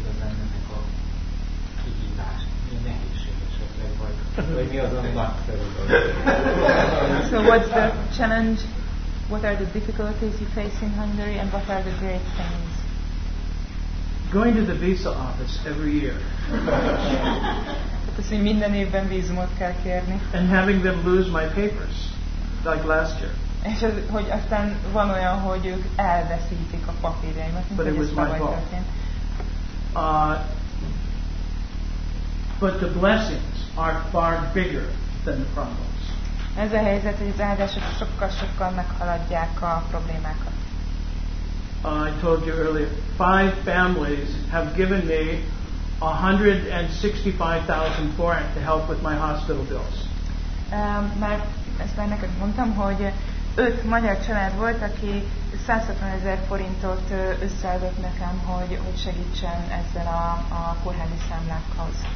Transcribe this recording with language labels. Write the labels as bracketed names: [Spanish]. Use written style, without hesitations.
[Hungarian] igazán ennek a kihívás, mi a nehézség esetleg, vagy mi az, ami nagy felül. [English] So what's the challenge? What are the difficulties you face in Hungary and what are the great things? Going to the visa office every year. [Hungarian] Minden évben vízumot kell kérni. [English] And having them lose my papers, like last year. [Hungarian] És az, hogy aztán van olyan, hogy ők elveszítik a papírjaimat. [English] But it was my fault. But the blessings are far bigger than the problems. [Hungarian] Ez a helyzet, hogy az áldások sokkal-sokkal meghaladják a problémákat. [English] I told you earlier, five families have given me 165,000 foreign to help with my hospital bills. [Hungarian] Mert ezt már neked mondtam, hogy öt magyar család volt, aki 170,000 forintot összeadott nekem, hogy segítsen ezzel a kórházi számlákhoz.